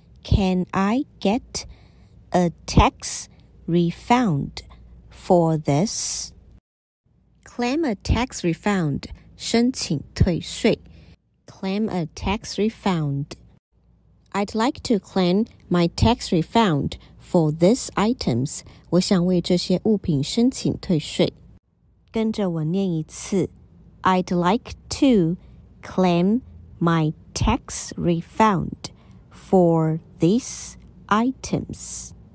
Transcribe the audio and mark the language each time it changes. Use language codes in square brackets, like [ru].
[en] Can I get a tax refund for this? Claim a tax refund, [zh] 申请退税。 [en] Claim a tax refund. I'd like to claim my tax refund for these items. [zh] 我想为这些物品申请退税。跟着我念一次。 [en] I'd like to claim my tax refund for these items.